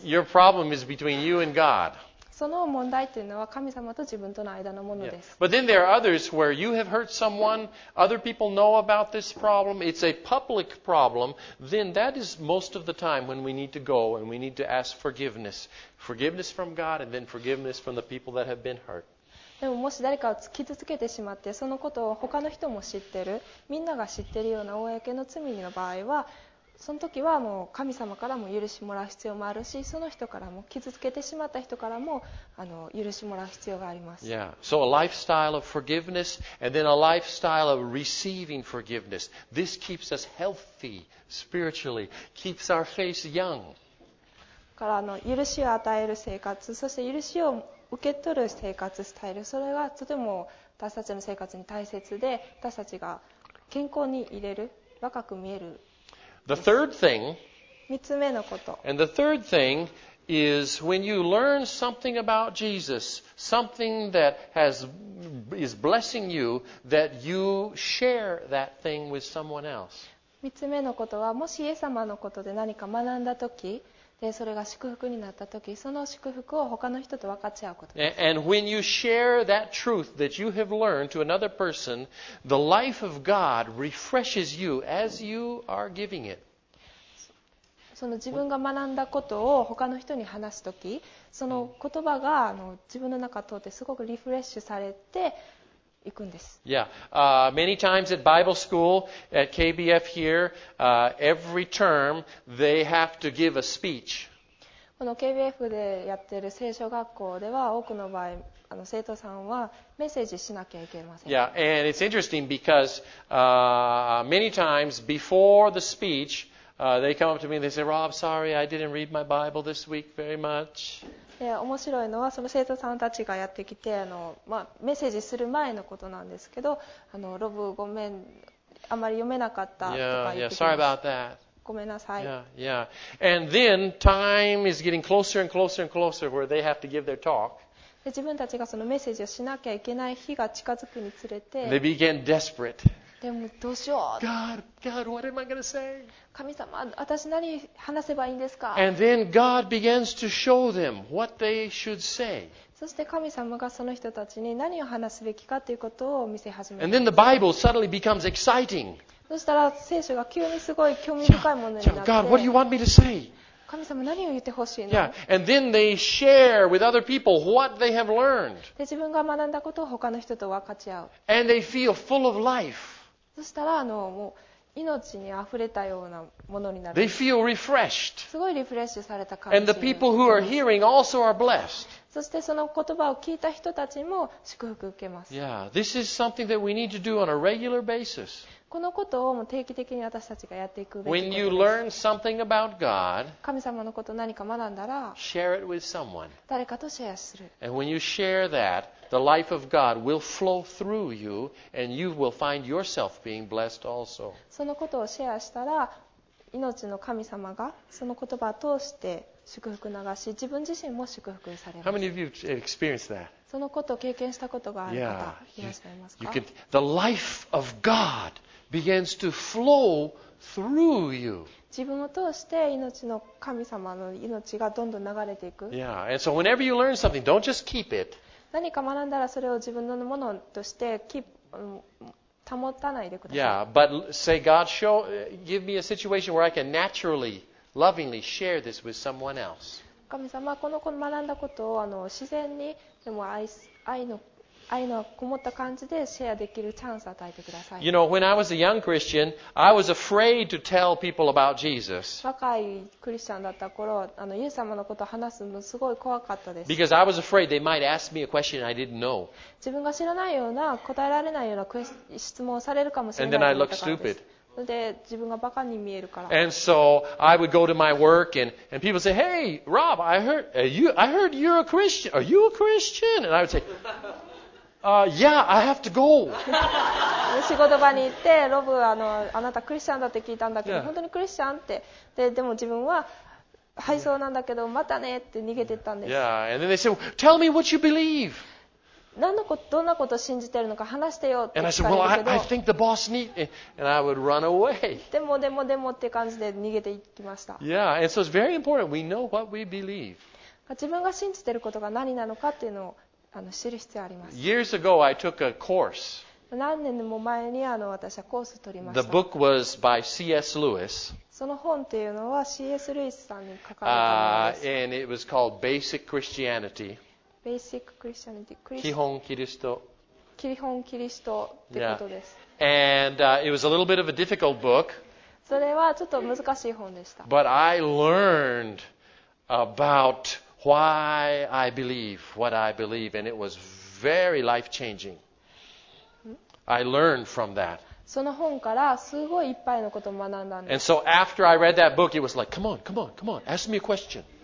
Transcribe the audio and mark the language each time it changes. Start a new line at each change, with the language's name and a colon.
English: Your problem is between you and God.
Japanese: その問題というのは神様と自分との間のものです。
English: But then there are others where you have hurt someone, other people know about this problem, it's a public problem, then that is most of the time when we need to go and we need to ask forgiveness. Forgiveness from God and then forgiveness from the people that have been hurt.
Japanese: でももし誰かを傷つけてしまって、そのことを他の人も知ってる、みんなが知ってるような公の罪の場合は、その時はもう神様からも許しもらう必要もあるし、その人からも傷つけてしまった人からも許しもらう必要があります。
English: Yeah, so a lifestyle of forgiveness and then a lifestyle of receiving forgiveness. This keeps us healthy spiritually, keeps our faith young.
Japanese: から許しを与える生活、そして許しを受け取る生活スタイル、それがとても私たちの生活に大切で、私たちが健康にいれる、若く見える。
English: The third thing,
Japanese: 3つ目のこと。
English: And the third thing is when you learn something about Jesus, something that is blessing you, that you share that thing with someone else.
Japanese: 3つ目のことは、もしイエス様のことで何か学んだとき、でそれが祝福になったとき、その祝福を他の人と分かち合うことです。
English: And when you share that truth that you have learned to another person, the life of God refreshes you as you are giving it.
Japanese: その自分が学んだことを他の人に話すとき、その言葉が自分の中を通ってすごくリフレッシュされて、
English: Yeah, many times at Bible school at KBF here, every term they have to give a speech.
Japanese: この KBF でやってる聖書学校では多くの場合、生徒さんはメッセージしなきゃいけません。
English: Yeah, and it's interesting because many times before the speech, they come up to me and they say, "Rob, sorry, I didn't read my Bible this week very much."
Japanese: で面白いのはその生徒さんたちがやってきて、メッセージする前のことなんですけど、ロブごめん、あまり読めなかったとか言ってます。
English: Yeah, yeah, sorry about that.
Japanese: ごめんなさい。
English: Yeah, yeah. And then time is getting closer and closer and closer where they have to give their talk.
Japanese: で自分たちがそのメッセージをしなきゃいけない日が近づくにつれて、
English: They begin desperate.
Japanese: でもどうしよう。
English: God, God, what am I gonna say?
Japanese: 神様、私何話せばいいんですか。
English: And then God begins to show them what they should say.
Japanese: そして神様がその人たちに何を話すべきかということを見せ始める。
English: And then the Bible suddenly becomes exciting.
Japanese: そしたら聖書が急にすごい興味深いものになって。
English: Yeah, God, what do you want me to say?
Japanese: 神様何を言ってほしいの。
English: Yeah, and then they share with other people what they have learned.
Japanese: で自分が学んだことを他の人と分かち合う。
English: And they feel full of life.
Japanese: そしたらもう命にあふれたようなものになる。
English: They feel refreshed.
Japanese: すごいリフレッシュされた感じ。
English: And the people who are hearing also are blessed.
Japanese: そしてその言葉を聞いた人たちも祝福受けます。
English: Yeah, this is something that we need to do on a regular basis.
Japanese: このことをもう定期的に私たちがやっていくべきことです。
English: When you learn something about God,
Japanese: 神様のことを何か学んだら、
English: share it with someone.
Japanese: 誰かとシェアする。
English: And when you share that, the life of God will flow through you, and you will find yourself being blessed also.
Japanese: そのことをシェアしたら、命の神様がその言葉を通して祝福を流し、自分自身も祝福されます。
English: How many of you have experienced that?
Japanese: そのことを経験したことがある方、いらっしゃいますか?
English: You can, the life of God begins to flow through you.
Japanese: 自分を通して命の神様の命がどんどん流れていく。
English: Yeah, and so whenever you learn something, don't just keep it.
Japanese: 何か学んだらそれを自分のものとしてキープ、保たないでください。
English: Yeah, but say, God, show, give me a situation where I can naturally, lovingly share this with someone else.
Japanese: 神様、この子の学んだことを自然にでも愛のこもった感じでシェアできるチャンスを与えてください。
English: You know, when I was a young Christian, I was afraid to tell people about Jesus.
Japanese: 若いクリスチャンだった頃、イエス様のことを話すのすごい怖かったです。
English: Because I was afraid they might ask me a question I didn't know.
Japanese: 自分が知らないような答えられないような質問をされるかもしれない。
English: And then I look stupid.
Japanese: で自分がバカに見えるから。
English: And so I would go to my work and people say, "Hey, Rob, I heard you're a Christian. Are you a Christian?" And I would say, "Yeah, I have to go."
Japanese: 仕事場に行って、ロブ、あなたクリスチャンだって聞いたんだけど、本当にクリスチャンって。でも自分は、はい、そうなんだけど、またねって逃げてったんです。
English: Yeah, and then they say, "Tell me what you believe."
Japanese: 何のことどんなことを信じてるのか話してよって聞かれるけど。
English: And I said, "Well, I think the boss need," and I would run away.
Japanese: でもって感じで逃げていきました。
English: Yeah, and so it's very important we know what we believe.
Japanese: 自分が信じてることが何なのかっていうのを知る必要あります。
English: Years ago, I took a course.
Japanese: 何年も前に私はコースを取りました。
English: The book was by C.S. Lewis.
Japanese: その本っていうのは C.S. Lewis さんに書かれたものです。
English: And it was called Basic Christianity. Basic Christianity.
Japanese: 基本キリスト。基本キリストってことです。
English: Yeah. And it was a little bit of a difficult book.
Japanese: それはちょっと難しい本でした。
English: But I learned about why I believe what I believe, and it was very life-changing. I learned from that.
Japanese: その本からすごいいっぱいのことを学んだんです。
English: And so after I read that book, it was like, come on, come on, come on, ask me a question.